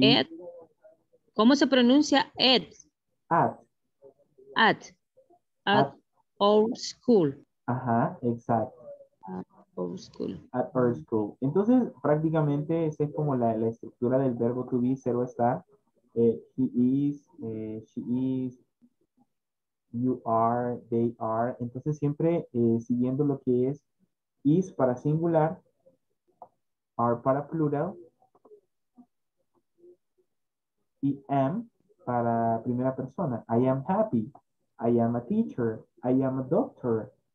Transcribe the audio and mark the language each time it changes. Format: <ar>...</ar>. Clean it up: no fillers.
<es>Ed. ¿Cómo se pronuncia Ed?</es> <en>At. At. At our school.</en> <es>Ajá, exacto.</es> <en>At our school. At our school.</en> <es>Entonces, prácticamente, esa es como la estructura del verbo to be, ser o estar.</es> <en>He is, she is, you are, they are.</en> <es>Entonces, siempre siguiendo lo que es para singular, are para plural, y am para primera persona.</es> <en>I am happy. I am a teacher. I am a doctor.</en>